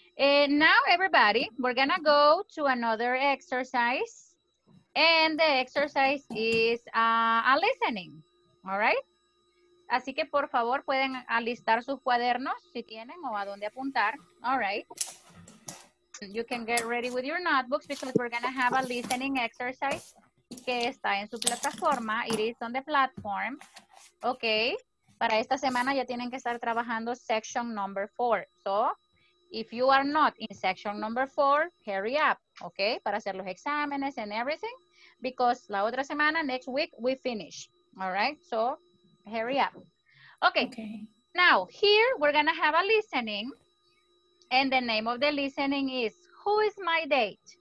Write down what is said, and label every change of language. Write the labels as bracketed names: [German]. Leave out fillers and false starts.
[English] Now everybody, we're gonna go to another exercise, and the exercise is a listening. All right. [Spanish] Así que por favor pueden alistar sus cuadernos si tienen o a dónde apuntar. [English] All right. You can get ready with your notebooks because we're going to have a listening exercise [Spanish] que está en su plataforma. [English] It is on the platform. Okay. [Spanish] Para esta semana ya tienen que estar trabajando [English] section number 4. So, if you are not in section number 4, hurry up. [Spanish] Okay. Para hacer los exámenes [English] and everything. Because [Spanish] la otra semana, [English] next week, we finish. All right. So, hurry up. Okay. Now, here we're going to have a listening. And the name of the listening is, who is my date?